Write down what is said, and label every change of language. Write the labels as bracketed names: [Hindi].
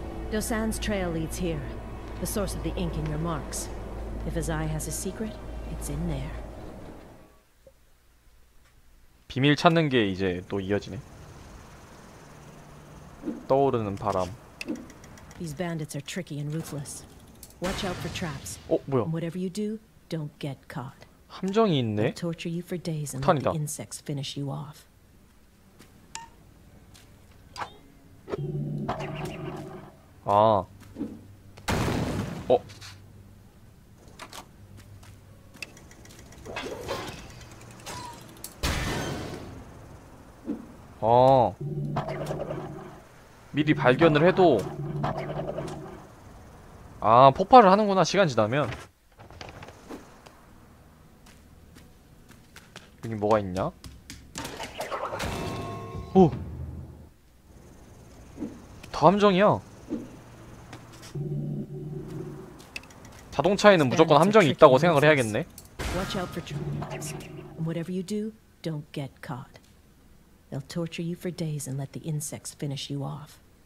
[English] Dosan's trail leads here, the source of the ink in your marks. If Azai has a secret, it's in there. [Korean] 비밀 찾는 게 이제 또 이어지네. 떠오르는 바람. [English] These bandits are tricky and ruthless. Watch out for traps. [Korean] 어, 뭐야? [English] Whatever you do, don't get caught. [Korean] 함정이 있네. [English] Torture you for days and let the insects finish you off. 아. 어. [Korean] 어. 미리 발견을 해도. 아, 폭발을 하는구나, 시간 지나면. 여기 뭐가 있냐? 오! 더 함정이야. 자동차에는 무조건 함정이 있다고 생각을 해야겠네. [English] Watch out for traps. Whatever you do, don't get caught. They'll torture you for days and let the insects finish you off.